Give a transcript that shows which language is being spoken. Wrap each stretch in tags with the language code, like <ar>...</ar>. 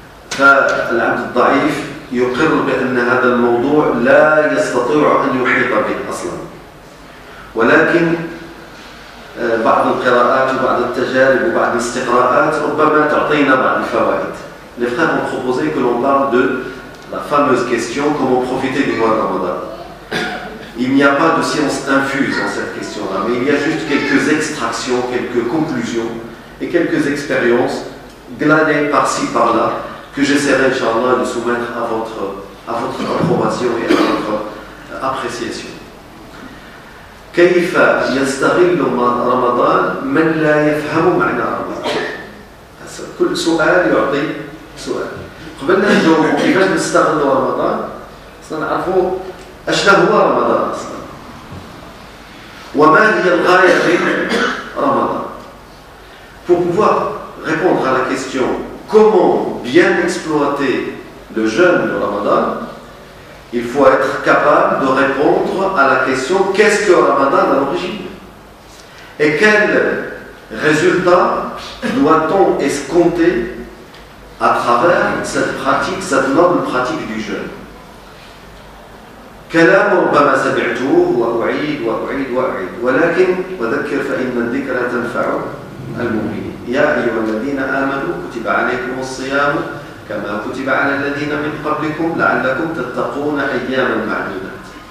<ar>فالعبد الضعيف يقر بأن هذا الموضوع لا يستطيع أن يحيط به أصلا، ولكن بعض القراءات وبعض التجارب وبعض الاستقراءات ربما تعطينا بعض الفوائد.</ar> <fr>Les frères ont proposé que l'on parle de la fameuse question: comment profiter du mois de Ramadan. Il n'y a pas de science infuse dans cette question-là, mais il y a juste quelques extractions, quelques conclusions et quelques expériences glanées par-ci, par-là, que j'essaierai, inchallah, de soumettre à votre approbation et à votre appréciation.</fr> <ar>كيف يستغل رمضان من لا يفهم معنى رمضان؟ كل سؤال يعطي سؤال. قبلنا نجاوبوا كيفاش نستغلوا رمضان، خصنا نعرفوا اشنا هو رمضان اصلا، وما هي الغايه من رمضان.</ar> <fr>Pour pouvoir répondre à la question comment bien exploiter le jeûne de Ramadan, il faut être capable de répondre à la question qu'est-ce que Ramadan à l'origine et quel résultat doit-on escompter à travers cette pratique, cette noble pratique du jeûne.</fr> <ar>كلام ربما سمعته وأعيد وأعيد وأعيد ولكن وذكر فإن الذكر تنفع المؤمنين يا أيها الذين آمنوا كتب عليكم الصيام كما كتب على الذين من قبلكم لعلكم تتقون أياما معدودات.</ar>